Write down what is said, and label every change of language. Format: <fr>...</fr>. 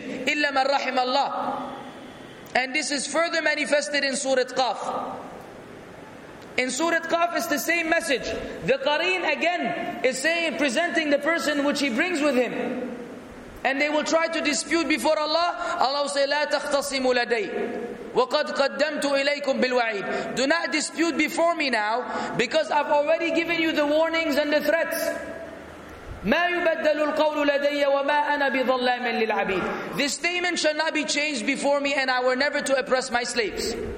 <ar>إِلَّا مَنْ رَحِمَ اللَّهِ.</ar> <en>And this is further manifested in Surah Qaf. In Surah Qaf, it's the same message. The Qareen again is saying, presenting the person which he brings with him. And they will try to dispute before Allah. Allah will say,</en> <ar>لَا تَخْتَصِمُ لَدَيْ وَقَدْ قَدَّمْتُ إِلَيْكُمْ بِالْوَعِيدِ.</ar> <en>Do not dispute before me now, because I've already given you the warnings and the threats.</en> <ar>مَا يُبَدَّلُ الْقَوْلُ لَدَيَّ وَمَا أَنَا بِظَلَّامٍ لِلْعَبِيدِ.</ar> <en>This statement shall not be changed before me, and I were never to oppress my slaves.</en>